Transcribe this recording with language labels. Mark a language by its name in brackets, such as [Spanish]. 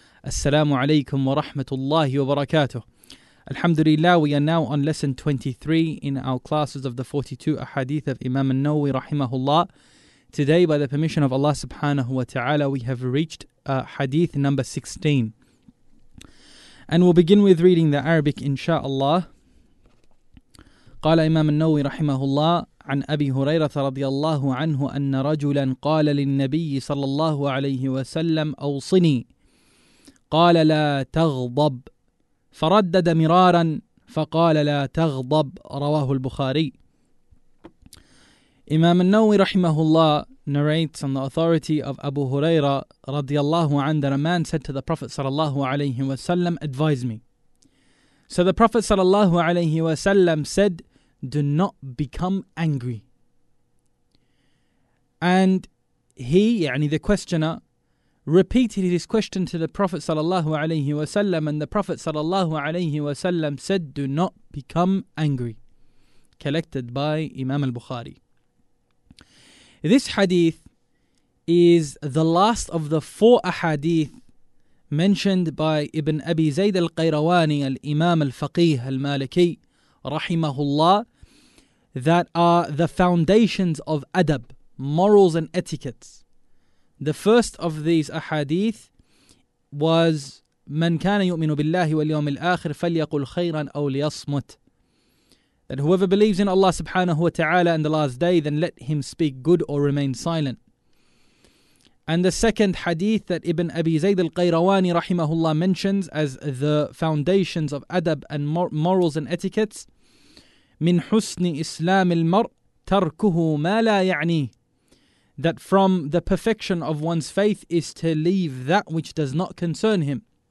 [English] Assalamu alaykum wa rahmatullahi wa barakatuh. Alhamdulillah, we are now on lesson 23 in our classes of the 42 ahadith of Imam an-Nawawi rahimahullah. Today, by the permission of Allah subhanahu wa ta'ala, we have reached hadith number 16. And we'll begin with reading the Arabic, insha'Allah. [Arabic] قال إمام النووي رحمه الله عن أبي هريرة رضي الله عنه أن رجلا قال للنبي صلى الله عليه وسلم أوصني قال لا تغضب فردد مرارا فقال لا تغضب رواه البخاري. إمام النووي رحمه الله [English] narrates on the authority of Abu Huraira radiallahu anhu that a man said to the Prophet sallallahu alayhi wa sallam, advise me. So the Prophet sallallahu alayhi wa sallam said, do not become angry. And he, yani the questioner, repeated his question to the Prophet sallallahu alayhi wa sallam, and the Prophet sallallahu alayhi wa sallam said, do not become angry. Collected by Imam al-Bukhari. This hadith is the last of the four ahadith mentioned by Ibn Abi Zayd al-Qayrawani, al-Imam al-Faqih al-Maliki, rahimahullah, that are the foundations of adab, morals and etiquettes. The first of these ahadith was, [Arabic] مَنْ كَانَ يُؤْمِنُ بِاللَّهِ وَالْيَوْمِ الْآخِرِ فَلْيَقُلْ خَيْرًا أَوْ لِيَصْمُتْ. [English] That whoever believes in Allah subhanahu wa ta'ala and the last day, then let him speak good or remain silent. And the second hadith that Ibn Abi Zayd al-Qayrawani rahimahullah mentions as the foundations of adab and morals and etiquettes, [Arabic] min husni islam al-mar tarkuhu ma la ya'ni, [English] that from the perfection of one's faith is to leave that which does not concern him.